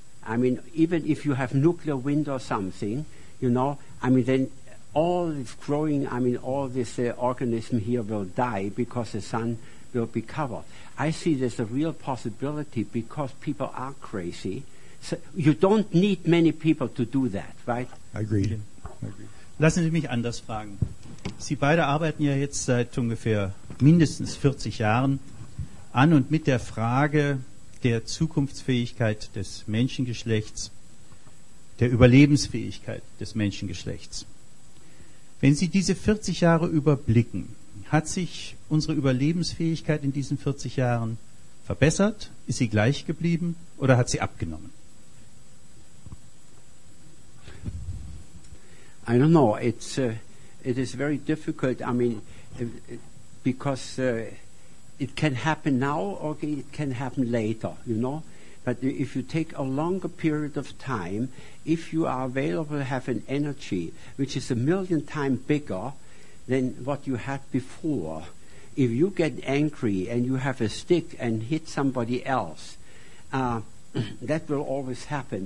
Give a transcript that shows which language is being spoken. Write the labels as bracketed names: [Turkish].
[English] I mean, even if you have nuclear wind or something, you know, I mean, then all this growing, I mean, all this organism here will die because the sun will be covered. I see there's a real possibility because people are crazy. So you don't need many people to do that, right? I agree. [German] Lassen Sie mich anders fragen. Sie beide arbeiten ja jetzt seit ungefähr mindestens 40 Jahren an und mit der Frage der Zukunftsfähigkeit des Menschengeschlechts, der Überlebensfähigkeit des Menschengeschlechts. Wenn Sie diese 40 Jahre überblicken, hat sich unsere Überlebensfähigkeit in diesen 40 Jahren verbessert? Ist sie gleich geblieben oder hat sie abgenommen? [English] I don't know. It is very difficult. I mean, because it can happen now or it can happen later, you know. But if you take a longer period of time, if you are available, have an energy which is a million times bigger than what you had before, if you get angry and you have a stick and hit somebody else, that will always happen.